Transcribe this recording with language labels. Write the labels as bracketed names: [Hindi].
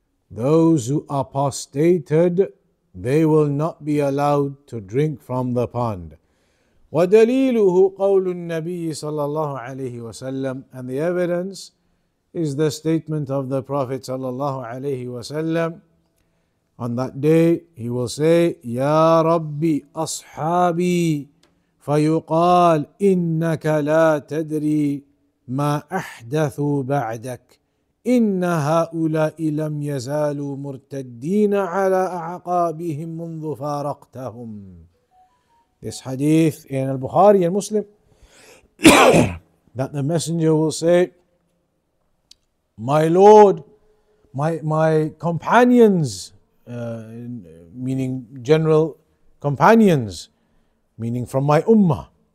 [English] Those who apostated, they will not be allowed to drink from the pond. [Arabic] ودليله قول النبي صلى الله عليه وسلم. [English] And the evidence is the statement of the Prophet صلى الله عليه وسلم. On that day, he will say, [Arabic] يا ربي أصحابي فيقال إنك لا تدري ما أحدثوا بعدك إن هؤلاء لم يزالوا مرتدين على أعقابهم منذ فارقتهم. [English] This hadith in Al-Bukhari and Muslim, that the messenger will say, my lord, my companions, meaning general companions, meaning from my ummah.